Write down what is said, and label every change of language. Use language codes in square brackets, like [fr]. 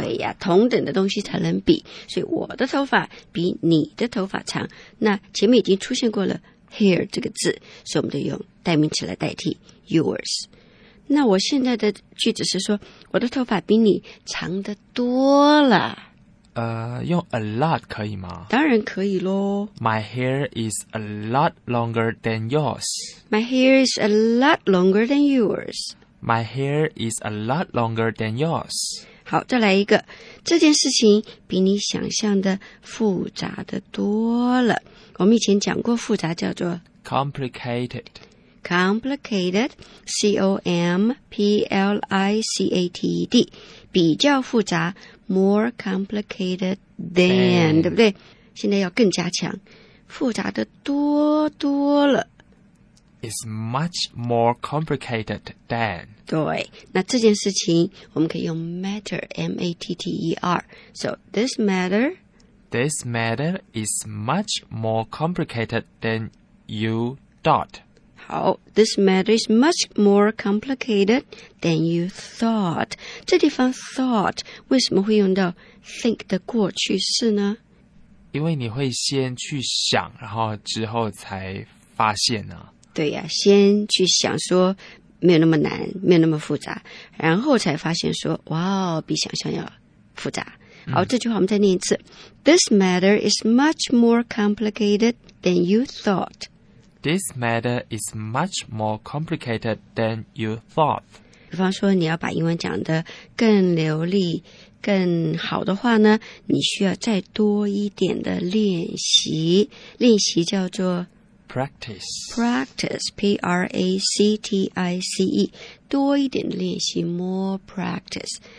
[zh] 对呀，同等的东西才能比，所以我的头发比你的头发长，那前面已经出现过了 hair 这个字，所以我们就用代名词来代替 yours。那我现在的句子是说我的头发比你长得多了，用 a lot 可以吗？当然可以咯。 [en] My hair is a lot longer than yours. My hair is a lot longer than yours My hair is a lot longer than yours. [zh] 好，再来一个。这件事情比你想象的复杂的多了。我们以前讲过复杂叫做 [en] complicated. Complicated, C-O-M-P-L-I-C-A-T-E-D. [zh] 比较复杂， [en] more complicated than, [zh] 对不对？现在要更加强。复杂的多多了。 [en] Is much more complicated than. [zh] 对，那这件事情我们可以用 matter, M-A-T-T-E-R. [en] So this matter, this matter is much more complicated than you thought. 好， this matter is much more complicated than you thought. [zh] 这地方 thought 为什么会用到 think 的过去式呢？因为你会先去想，然后之后才发现呢、啊。对呀、啊，先去想说没有那么难，没有那么复杂，然后才发现说哇，比想象要复杂。好，这句话我们再念一次。 [en] This matter is much more complicated than you thought. This matter is much more complicated than you thought. [zh] 比方说你要把英文讲得更流利更好的话呢，你需要再多一点的练习。练习叫做 [en] practice, practice, P-R-A-C-T-I-C-E, [zh] 多一点的练习 [en] ，more practice。